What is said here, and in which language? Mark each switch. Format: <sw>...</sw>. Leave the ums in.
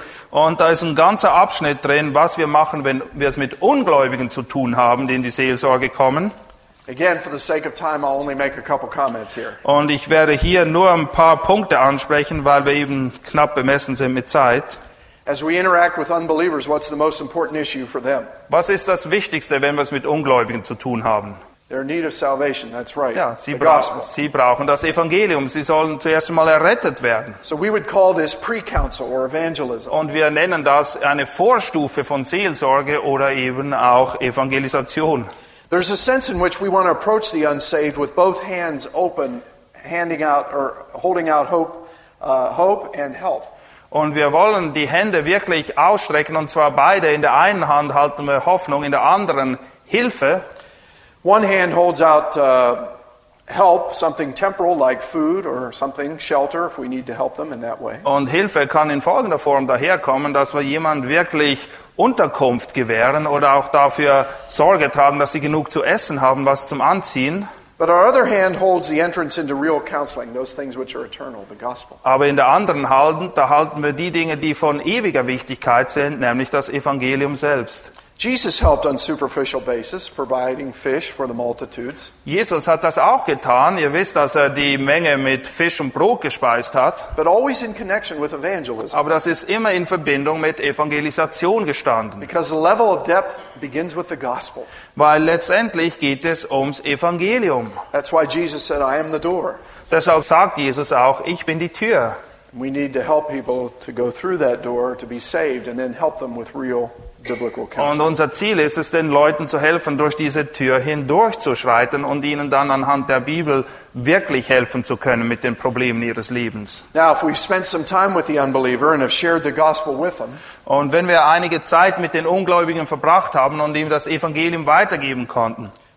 <de>Und da ist ein ganzer Abschnitt drin, was wir machen, wenn wir es mit Ungläubigen zu tun haben, die in die Seelsorge kommen. Und ich werde hier nur ein paar Punkte ansprechen, weil wir eben knapp bemessen sind mit Zeit.</de> <en>As we interact with unbelievers, what's the most important issue for them?</en> <de>Was ist das Wichtigste, wenn wir es mit Ungläubigen zu tun haben?</de> <en>Their need of salvation. That's right.</en> <de>Ja, sie, brauchen, sie brauchen das Evangelium. Sie sollen zuerst einmal errettet werden.</de> <en>So we would call this pre-council or evangelism.</en> <de>Und wir nennen das eine Vorstufe von Seelsorge oder eben auch Evangelisation.</de> <en>There's a sense in which we want to approach the unsaved with both hands open, handing out or holding out hope, uh, hope and help.</en> <de>Und wir wollen die Hände wirklich ausstrecken und zwar beide. In der einen Hand halten wir Hoffnung, in der anderen</de> <en>Hilfe. One hand holds out. Uh Und</en> <de>Hilfe kann in folgender Form daherkommen, dass wir jemand wirklich Unterkunft gewähren oder auch dafür Sorge tragen, dass sie genug zu essen haben, was zum Anziehen. Aber in der anderen Hand, halt, da halten wir die Dinge, die von ewiger Wichtigkeit sind, nämlich das Evangelium selbst.</de> <en>Jesus helped on superficial basis, providing fish for the multitudes.</en> <de>Jesus hat das auch getan. Ihr wisst, dass er die Menge mit Fisch und Brot gespeist hat.</de> <en>But always in connection with evangelism.</en> <de>Aber das ist immer in Verbindung mit Evangelisation gestanden.</de> <en>Because the level of depth begins with the gospel.</en> <de>Weil letztendlich geht es ums Evangelium.</de> <en>That's why Jesus said, "I am the door."</en> <de>Deshalb sagt Jesus auch, ich bin die Tür.</de> <en>We need to help people to go through that door to be saved, and then help them with real</en> <de>Und unser Ziel ist es, den Leuten zu helfen, durch diese Tür hindurchzuschreiten und ihnen dann anhand der Bibel wirklich helfen zu können mit den Problemen ihres Lebens. Und wenn wir einige Zeit mit den Ungläubigen verbracht haben und ihm das Evangelium weitergeben konnten,</de>